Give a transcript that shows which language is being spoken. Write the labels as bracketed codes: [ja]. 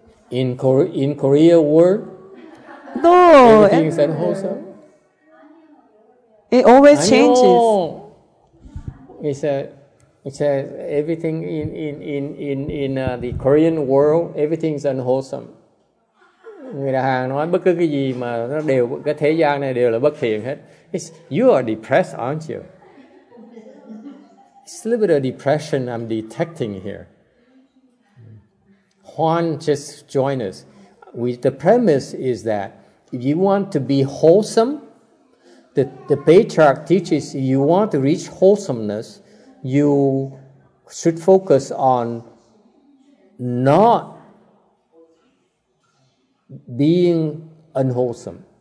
[en] In Korea world? No. Everything is unwholesome? It always changes. It says everything in the Korean world, everything's unwholesome. [vi] Người đại hàng nói bất cứ cái gì mà nó đều cái thế gian này đều là bất thiện hết. [en] You are depressed, aren't you? It's a little bit of depression I'm detecting here. Juan just joined us. The premise is that if you want to be wholesome, the patriarch teaches you want to reach wholesomeness, you should focus on not being unwholesome.